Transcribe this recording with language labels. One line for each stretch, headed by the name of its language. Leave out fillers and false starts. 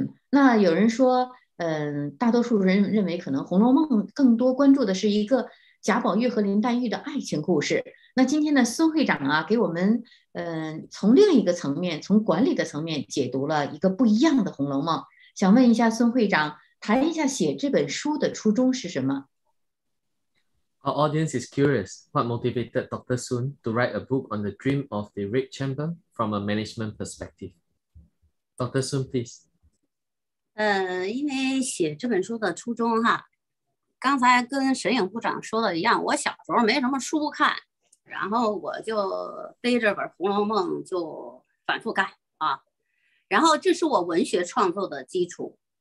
Chinese: 那有人说大多数人认为可能《红楼梦》更多关注的是一个贾宝玉和林黛玉的爱情故事。那今天呢孙会长啊给我们从另一个层面，从管理的层面解读了一个不一样的《红楼梦》。想问一下孙会长，谈一下写这本书的初衷是什么？
English: Our audience is curious, what motivated Dr. Sun to write a book on the dream of the Red Chamber from a management perspective? Dr. Sun, please.
Chinese: 因为写这本书的初衷哈，刚才跟沈影部长说的一样，我小时候没什么书看，然后我就背着本《红楼梦》就反复看啊，然后这是我文学创作的基础。